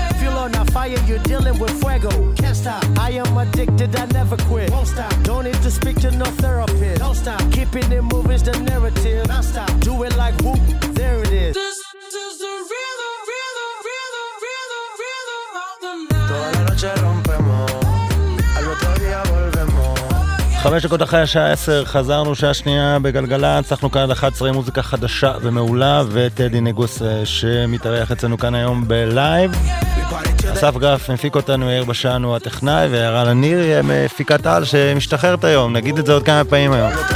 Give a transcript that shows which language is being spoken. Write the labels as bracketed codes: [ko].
[en] Feel on a fire, you're dealing with fuego. Can't stop, I am addicted, I never quit. Won't stop, don't need to speak to no therapist. Don't stop, keeping it moving's the narrative. Don't stop, do it like whoop, there it is. This is the rhythm, rhythm, rhythm, rhythm, rhythm of the night. [es] Toda la noche rompemos, al otro día volvemos. [he] 5 דקות אחרי השעה 10, חזרנו שעה שנייה בגלגלה, הצלחנו כאן עד 11 עם מוזיקה חדשה ומעולה, וטדי נגוס שמתארח אצלנו כאן היום בלייב. אסף גרף מפיק אותנו, יאיר בשן הוא הטכנאי, והערה לניר היא מפיקת על שמשתחררת היום, נגיד את זה עוד כמה פעמים היום.